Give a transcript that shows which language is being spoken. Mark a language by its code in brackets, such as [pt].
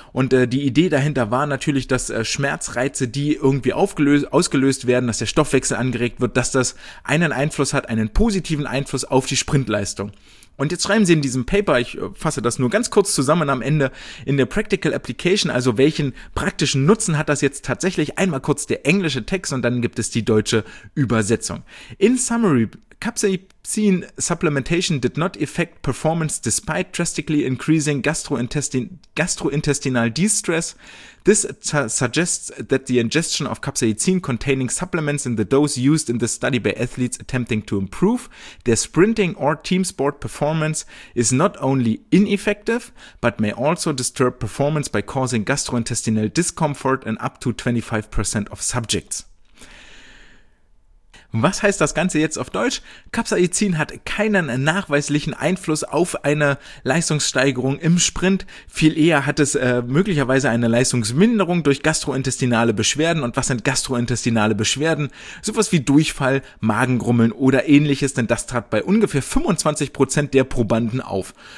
[de] Und die Idee dahinter war natürlich, dass Schmerzreize, die irgendwie ausgelöst werden, dass der Stoffwechsel angeregt wird, dass das einen Einfluss hat, einen positiven Einfluss auf die Sprintleistung. Und jetzt schreiben sie in diesem Paper, ich fasse das nur ganz kurz zusammen am Ende, in der Practical Application, also welchen praktischen Nutzen hat das jetzt tatsächlich, einmal kurz der englische Text und dann gibt es die deutsche Übersetzung. [en] In summary, Capsaicin supplementation did not affect performance despite drastically increasing gastrointestinal distress. This suggests that the ingestion of capsaicin containing supplements in the dose used in the study by athletes attempting to improve their sprinting or team sport performance is not only ineffective, but may also disturb performance by causing gastrointestinal discomfort in up to 25% of subjects. [de] Was heißt das Ganze jetzt auf Deutsch? Capsaicin hat keinen nachweislichen Einfluss auf eine Leistungssteigerung im Sprint. Viel eher hat es möglicherweise eine Leistungsminderung durch gastrointestinale Beschwerden. Und was sind gastrointestinale Beschwerden? Sowas wie Durchfall, Magengrummeln oder ähnliches, denn das trat bei ungefähr 25% der Probanden auf.